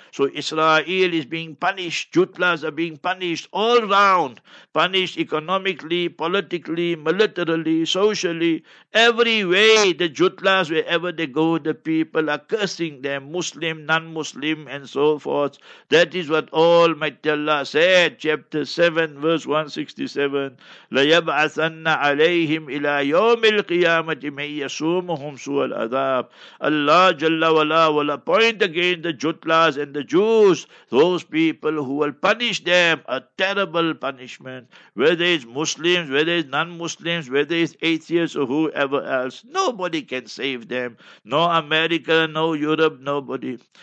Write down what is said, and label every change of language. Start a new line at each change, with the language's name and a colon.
English: So Israel is being punished, Jutlas are being punished all round, punished economically, politically, militarily, socially, every way. The Jutlas, wherever they go, the people are cursing them, Muslim, non-Muslim, and so forth. That is what Almighty Allah said, chapter 7, verse 167,
Arabic: لَيَبْعَثَنَّ عَلَيْهِمْ إِلَىٰ يَوْمِ الْقِيَامَةِ مَنْ يَسُومُهُمْ سُوَ الْعَذَابِ.
English: Allah Jalla Wala will appoint again the Jutlas and the Jews, those people who will punish them, a terrible punishment, whether it's Muslims, whether it's non-Muslims, whether it's atheists or whoever else. Nobody can save them. No America, no Europe, nobody.